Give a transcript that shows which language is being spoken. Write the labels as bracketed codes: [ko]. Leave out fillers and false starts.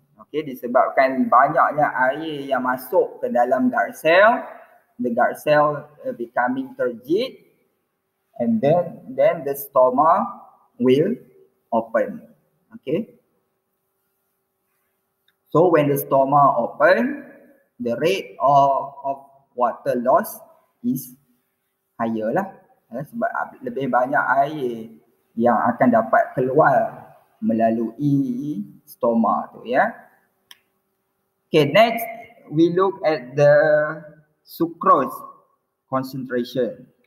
[en] Okay, [ms] disebabkan banyaknya air yang masuk ke dalam [en] guard cell, the guard cell becoming turgid, and then the stoma will open. Okay. So when the stoma open, the rate of water loss is higher lah. [ms] Sebab lebih banyak air yang akan dapat keluar melalui stoma tu ya. [en] Okay, next we look at the sucrose concentration.